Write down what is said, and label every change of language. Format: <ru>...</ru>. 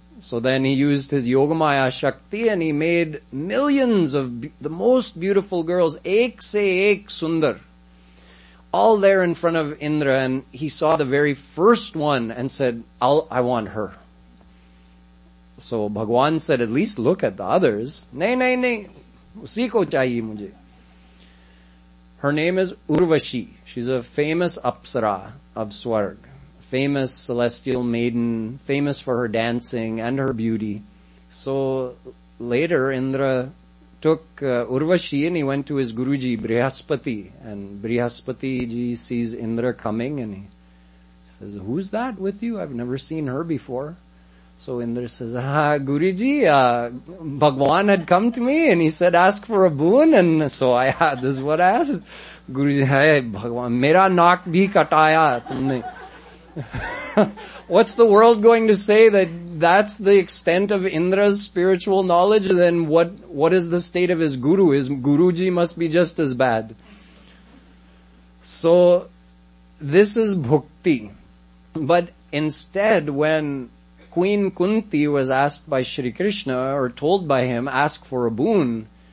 <en>So then he used his Yogamaya Shakti and he made millions of the most beautiful girls,</en> <hi>ek se ek sundar,</hi> <en>all there in front of Indra, and he saw the very first one and said, I want her. So Bhagwan said, at least look at the others.</en> <hi>नय, नय, नय, उसी को चाहिए मुझे.</hi> <en>Her name is Urvashi. She's a famous apsara of Swarg. Famous celestial maiden, famous for her dancing and her beauty. So later Indra took Urvashi and he went to his Guruji Brihaspati. And Brihaspati-ji sees Indra coming and he says, who's that with you? I've never seen her before. So Indra says, Guruji, Bhagwan had come to me and he said, ask for a boon. And so this is what I asked.</en> <hi>गुरुजी, हे, भगवान, मेरा नाक भी कटाया तुमने.</hi> <en>What's the world going to say that's the extent of Indra's spiritual knowledge? Then what is the state of his guru? His Guruji must be just as bad. So this is bhakti. But instead, when Queen Kunti was asked by Shri Krishna, or told by him, ask for a boon.</en>